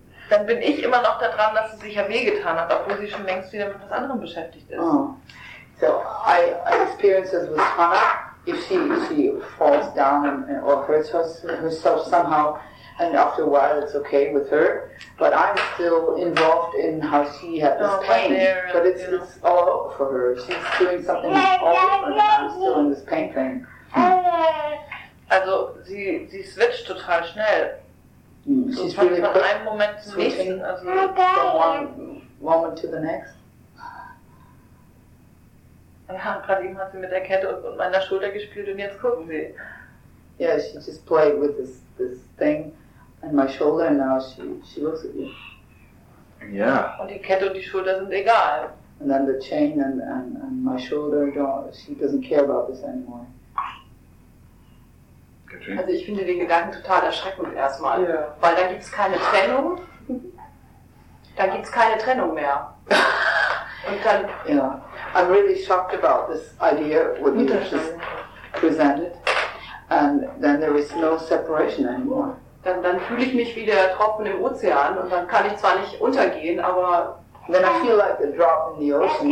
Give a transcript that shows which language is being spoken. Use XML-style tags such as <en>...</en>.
<de>dann bin ich immer noch daran, dass sie sich ja wehgetan hat, obwohl sie schon längst wieder mit was anderem beschäftigt ist.</de> <en>Oh. So I experience this with Hannah. If she falls down or hurts herself somehow, and after a while it's okay with her, but I'm still involved in how she had this pain. But it's all for her. She's doing something all different, and I'm still in this pain thing.</en> <de>Also sie switcht total schnell.</de> <en>She's really quick.</en> <de>Von einem Moment zum nächsten, also</de> <en>from one moment to the next.</en> <de>Ja, gerade eben hat sie mit der Kette und meiner Schulter gespielt und jetzt gucken sie.</de> <en>Yeah, she just played with this thing on my shoulder and now she looks at you. Yeah.</en> <de>Und die Kette und die Schulter sind egal.</de> <en>And then the chain and my shoulder, she doesn't care about this anymore.</en> <de>Also ich finde den Gedanken total erschreckend erstmal.</de> <en>Yeah.</en> <de>Weil da gibt es keine Trennung. Da gibt es keine Trennung mehr. Und dann,</de> <en>I'm really shocked about this idea what you just presented, and then there is no separation anymore.</en> <de>Dann fühle ich mich wie der Tropfen im Ozean und dann kann ich zwar nicht untergehen, aber</de> <en>then I feel like a drop in the ocean.</en>